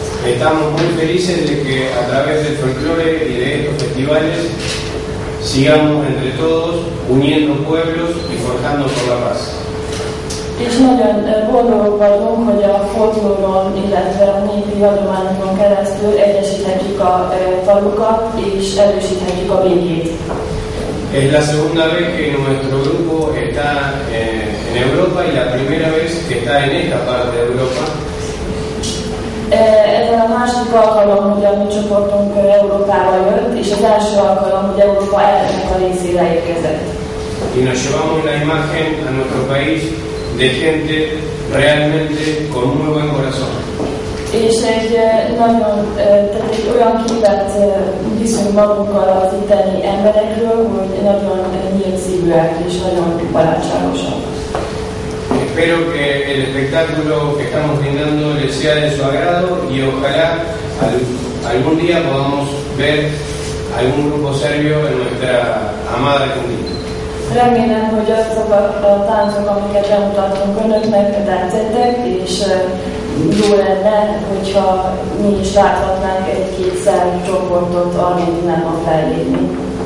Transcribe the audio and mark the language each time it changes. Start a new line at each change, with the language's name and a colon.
Spanish: Estamos muy felices de que a través del folclore y de estos festivales sigamos entre todos uniendo pueblos y forjando por la paz.
Hungarian: És nagyon boldogok vagyunk, hogy a folklóron, illetve a népi hagyományokon keresztül egyesíthetjük a falukat és erősíthetjük a békét.
Spanish: Es la segunda vez que nuestro grupo está en Europa y la primera vez que está en esta parte de Europa.
Hungarian: Ez a másik alkalom, hogy a mi csoportunk Európába jött, és az első alkalom, hogy Európa ennek a részére érkezett.
Spanish: Y nos llevamos la imagen a nuestro país de gente realmente con un muy buen corazón.
Hungarian: És egy nagyon, tehát egy olyan képet viszünk magunkkal az itteni emberekről, hogy nagyon nyílt szívűek és nagyon barátságosak.
Spanish: Espero que el espectáculo que estamos brindando les sea de su agrado y ojalá algún día podamos ver algún grupo serbio en nuestra amada Argentina.
Hungarian: Remélem, hogy azok a táncok, amiket bemutattunk önöknek, tetszettek, és jó lenne, hogyha mi is láthatnánk egy-két szerb csoportot Argentinában fellépni.